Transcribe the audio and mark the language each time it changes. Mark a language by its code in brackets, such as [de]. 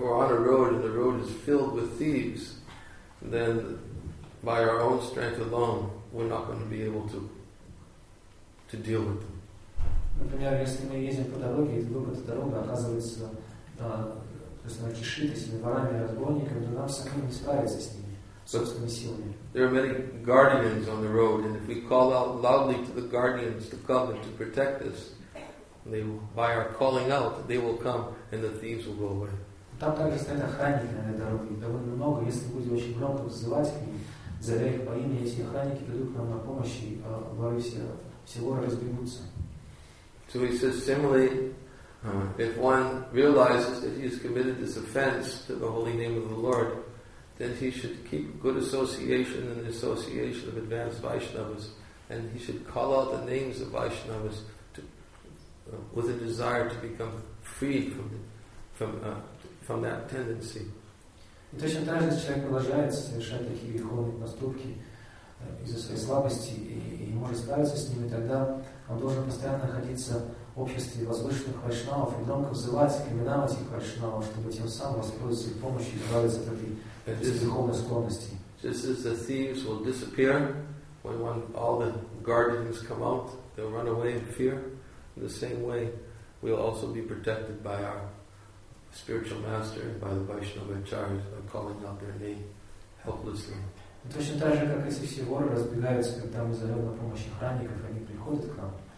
[en] we're on a road and the road is filled with thieves, then by our own strength alone, we're not going to be able to deal with them. [ru] Например, если мы едем по дороге, и вдруг эта дорога оказывается, то есть она кишит этими ворами и разбойниками, то нам самим не справиться с ними, собственными силами. [en] There are many guardians on the road, and if we call out loudly to the guardians to come and to protect us, they will, by our calling out, they will come, and the thieves will go away. [ru] Там также стоят охранники на этой дороге, довольно много. Если будем очень громко вызывать к ним, зовя их по имени, эти охранники придут к нам на помощь, и воры все воры разбегутся. [en] So he says, similarly, if one realizes that he has committed this offense to the holy name of the Lord, then he should keep good association in the association of advanced Vaishnavas, and he should call out the names of Vaishnavas with a desire to become free from that tendency. [ru] Точно так же, если человек продолжает совершать такие греховные поступки, из-за своей слабости и может справиться с ними, тогда он должен постоянно находиться в обществе возвышенных вайшнавов и громко взывать, поминать их вайшнавов, чтобы тем самым воспользоваться их помощью и избавиться от этой духовной склонности. [en] This is the thieves will disappear when all the guardians come out. They'll run away in fear. In the same way, we'll also be protected by our spiritual master and by the Vaishnava Acharyas by calling out their name helplessly. [ru] Точно так же, как эти все воры разбегаются, когда мы зовем на помощь охранников, они приходят к нам.